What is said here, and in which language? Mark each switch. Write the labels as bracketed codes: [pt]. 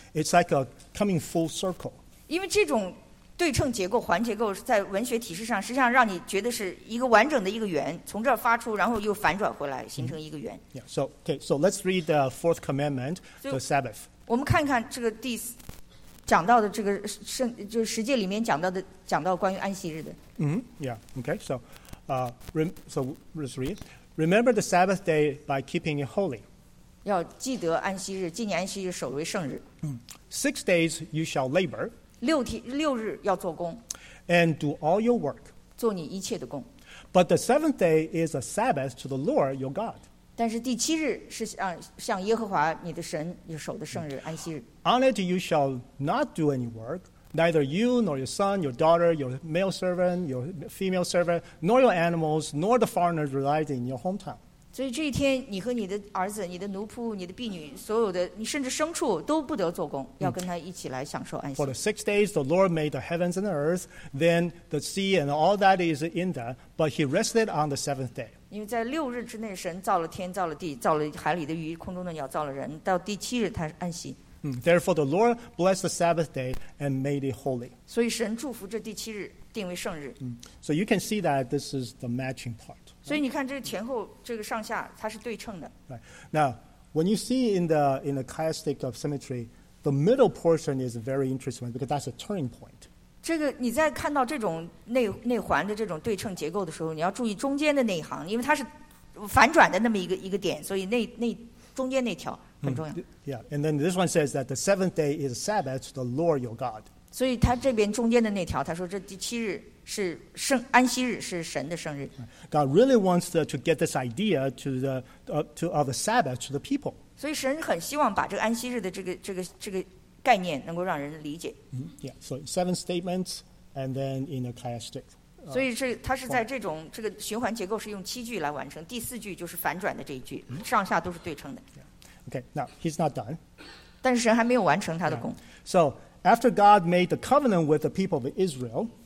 [en] It's like a coming full circle. [zh] 因为这种对称结构环结构在文学体式上实际上让你觉得是一个完整的一个圆，从这儿发出然后又反转回来形成一个圆。 [en] Yeah. So, okay, so let's read the fourth commandment, the Sabbath. [zh] 我们看看这个第四讲到的这个就是十诫里面讲到关于安息日的。 [en] Yeah. Okay. So, let's read. Remember the Sabbath day by keeping it holy. [zh] 要记得安息日，纪念安息日，守为圣日。 [en] 6 days you shall labor. [zh] 六日要做工。 [en] And do all your work. [zh] 做你一切的工。 [en] But the seventh day is a Sabbath to the Lord your God. [zh] 但是第七日是向耶和华你的神守的圣日，安息日。 [en] On it you shall not do any work, neither you nor your son, your daughter, your male servant, your female servant, nor your animals, nor the foreigner residing in your hometown. [zh] 所以这一天你和你的儿子，你的奴仆，你的婢女，所有的你甚至牲畜都不得做工，要跟他一起来享受安息。 [en] For the 6 days the Lord made the heavens and the earth, then the sea and all that is in them, but he rested on the seventh day. [zh] 因为在六日之内神造了天，造了地，造了海里的鱼，空中的鸟，造了人，到第七日他安息。 [en] Therefore the Lord blessed the Sabbath day and made it holy. [zh] 所以神祝福这第七日，定为圣日。 [en] So you can see that this is the matching part. [zh] 所以你看这个前后这个上下它是对称的。 [en] Right. Now, when you see in the chiastic of symmetry, the middle portion is very interesting because that's a turning point. [zh] 这个你在看到这种内环的这种对称结构的时候，你要注意中间的那一行，因为它是反转的那么一个点，所以那中间那条很重要。 [en] Yeah. And then this one says that the seventh day is Sabbath to the Lord your God. [zh] 所以他这边中间的那条，他说这第七日是安息日，是神的圣日。 [en] God really wants to get this idea of the Sabbath to the people. [zh] 所以神很希望把这个安息日的这个概念能够让人理解。 [en] Yeah. So 7 statements and then in a chiastic. [zh] 所以他是在这个循环结构是用七句来完成，第四句就是反转的这一句，上下都是对称的。 [en] Okay, now he's not done. [zh] 但是神还没有完成他的工。 [en] So after God made the covenant with the people of Israel,